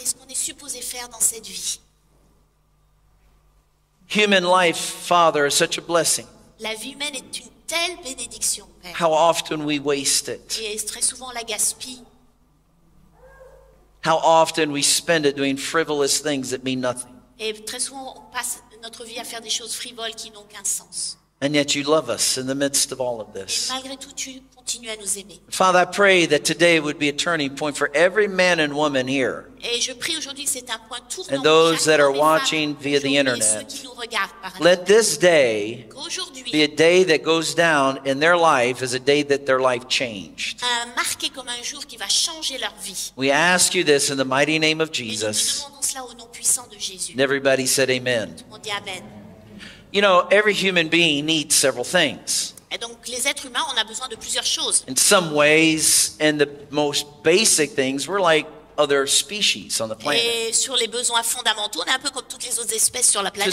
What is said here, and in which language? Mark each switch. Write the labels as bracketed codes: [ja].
[fr] Et ce qu'on est supposé faire dans cette vie. [en] Human life, Father, is such a blessing. [fr] La vie humaine est une telle bénédiction, Père. [en] How often we waste it. [fr] Et très souvent la gaspille. [en] How often we spend it doing frivolous things that mean nothing. [fr] Et très souvent on passe notre vie à faire des choses frivoles qui n'ont aucun sens. [en] And yet you love us in the midst of all of this. [fr] Et malgré tout, tu continues à nous aimer. [en] Father, I pray that today would be a turning point for every man and woman here. [fr] Et je prie aujourd'hui, c'est un point tournant. [en] And those that are watching via the internet, [fr] ceux qui nous regardent par [en] let this day [fr] aujourd'hui [en] be a day that goes down in their life as a day that their life changed. [fr] Marqué comme un jour qui va changer leur vie. [en] We ask you this in the mighty name of Jesus. [fr] Et nous demandons cela au nom puissant de Jésus. [en] And everybody said amen. [fr] Tout le monde dit amen. [en] You know, every human being needs several things. [fr] Et donc, les êtres humains, on a besoin de plusieurs choses. [en] In some ways, in the most basic things, we're like other species on the planet. [fr] Et sur les besoins fondamentaux, on est un peu comme toutes les autres espèces sur la planète.